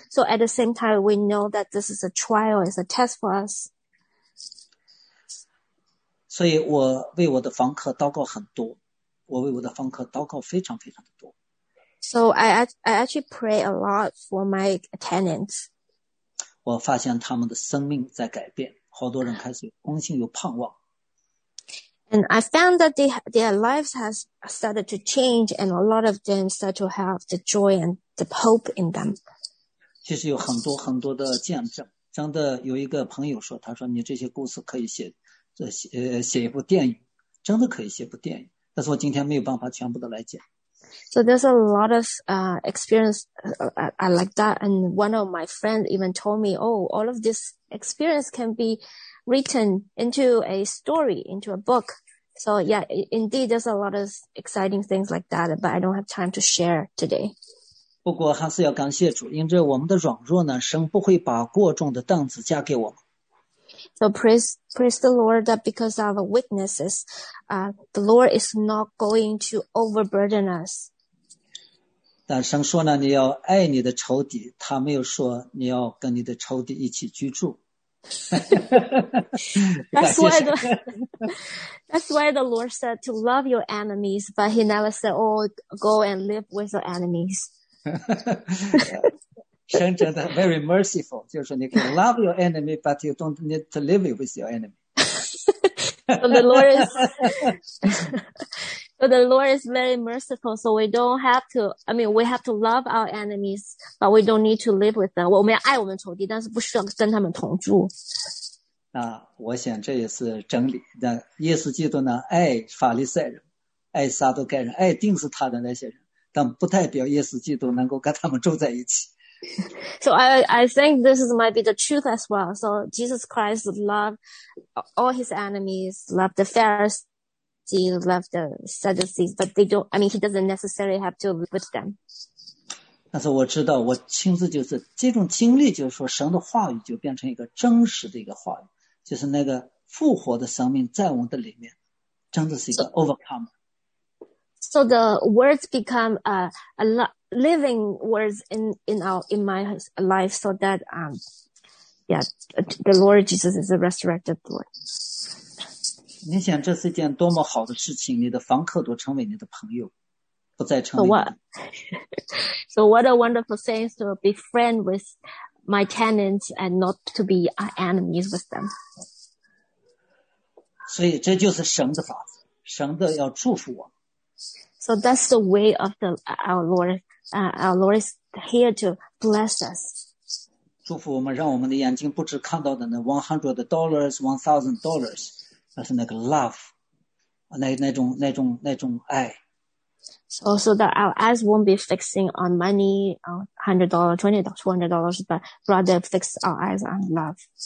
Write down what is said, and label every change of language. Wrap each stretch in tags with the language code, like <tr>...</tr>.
<en>So at the same time, we know that this is a trial, it's a test for us.</en> <zh>所以我为我的房客祷告很多，我为我的房客祷告非常非常的多。</zh> <en>So I actually pray a lot for my tenants.</en> <zh>我发现他们的生命在改变，好多人开始有恭敬，有盼望。</zh> <en>And I found that their lives has started to change and a lot of them start to have the joy and the hope in them.</en> <zh>其实有很多很多的见证。真的有一个朋友说，他说你这些故事可以写一部电影，真的可以写部电影。但是我今天没有办法全部的来讲。</zh> <en>So there's a lot of experience like that. And one of my friends even told me, oh, all of this experience can be written into a story, into a book. So yeah, indeed, there's a lot of exciting things like that, but I don't have time to share today.</en> <zh>不过还是要感谢主，因着我们的软弱呢，神不会把过重的担子加给我们。</zh> <en>So praise the Lord that because of our weaknesses, the Lord is not going to overburden us.</en> <zh>但神说呢，你要爱你的仇敌，他没有说你要跟你的仇敌一起居住。</zh> <en>That's why the Lord said to love your enemies, but he never said, oh, go and live with your enemies.</en> <zh>神真的</zh> <en>very merciful,</en> <zh>就是说你</zh> <en>can love your enemy, but you don't need to live with your enemy. So the Lord is very merciful, so we have to love our enemies, but we don't need to live with them.</en> <zh>我们要爱我们仇敌，但是不需要跟他们同住。那我想这也是真理。那耶稣基督呢，爱法利赛人，爱撒都盖人，爱定死他的那些人，但不代表耶稣基督能够跟他们住在一起。</zh> <en>So I think this might be the truth as well. So Jesus Christ loved all his enemies, loved the Pharisees. He left the Sadducees, but they don't. I mean, he doesn't necessarily have to live with them.</en> <zh>但是我知道，我亲自就是这种经历，就是说，神的话语就变成一个真实的一个话语，就是那个复活的生命在我们的里面，真的是一个 overcome.</zh> <en>So the words become a living words in my life, so that the Lord Jesus is a resurrected Lord.</en> <zh>你想这是一件多么好的事情，你的房客都成为你的朋友，不再成为你的。</zh> <en>So what a wonderful thing to be friend with my tenants and not to be enemies with them.</en> <zh>所以这就是神的法子，神的要祝福我。</zh> <en>So that's the way of our Lord. Our Lord is here to bless us.</en> <zh>祝福我们，让我们的眼睛不只看到的那$100, $1,000。那是那个 love, 那种爱。</zh> <en>So that our eyes won't be fixing on money, $100, $20, $200, but rather fix our eyes on love.</en>